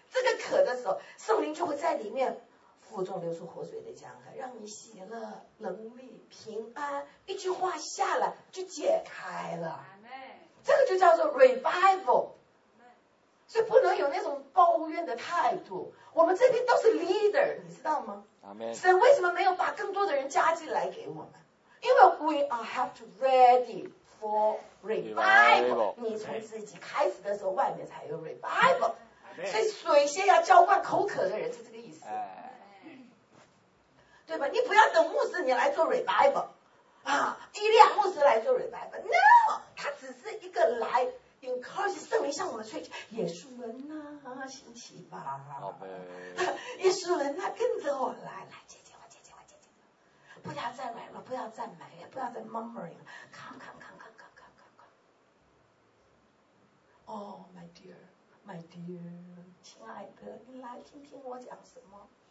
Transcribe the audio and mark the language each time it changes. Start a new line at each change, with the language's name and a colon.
Chinese: 这个渴的时候，圣灵就会在里面腹中流出活水的江河，让你喜乐、能力、平安，一句话下来就解开了。这个就叫做 revival， 所以不能有那种抱怨的态度。我们这边都是 leader， 你知道吗？
English: Amen.
Chinese: 神为什么没有把更多的人加进来给我们？因为
English: we are have to ready for revival。
Chinese: 你从自己开始的时候，外面才有 revival。所以水先要浇灌口渴的人，是这个意思。对吧？你不要等牧师你来做 revival。啊，伊利亚牧师来做 revival， no， 他只是一个来 encourage 圣灵向我们吹嘘，耶稣人呐、啊，兴起吧，耶稣人呐、啊，跟着我来，来接接我，接接我，接接我，不要再来了，不要再埋怨，不要再 murmuring， 看看看看看看看看 ，
English: Oh my dear， my dear，
Chinese: 亲爱的，你来听听我讲什么。